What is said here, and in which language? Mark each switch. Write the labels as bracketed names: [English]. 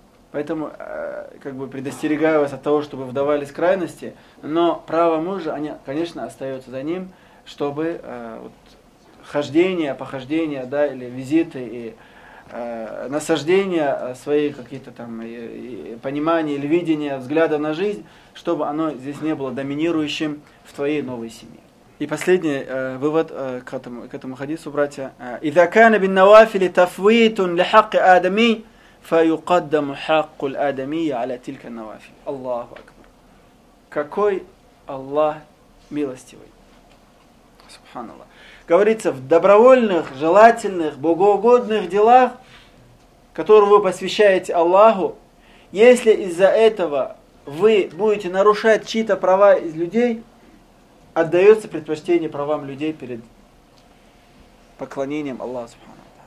[Russian] Поэтому, как бы, предостерегаю вас от того, чтобы вдавались крайности, но право мужа, они, конечно, остается за ним, чтобы вот, хождение, похождение, да, или визиты, и насаждение своей какие-то там понимания или видения, взгляда на жизнь, чтобы оно здесь не было доминирующим в твоей новой семье. И последний вывод к этому хадису, братья. [Arabic] «Иза кана бин навафили тафвитун ля хакки адами». فَيُقَدَّمُ حَقُّ الْآدَمِيَّ عَلَى تِلْكَ النَّوَافِلِ Аллаху Акбар. [Russian] Какой Аллах милостивый. Субханаллах. Говорится, в добровольных, желательных, богоугодных делах, которые вы посвящаете Аллаху, если из-за этого вы будете нарушать чьи-то права из людей, отдается предпочтение правам людей перед поклонением Аллаха Субханаллах.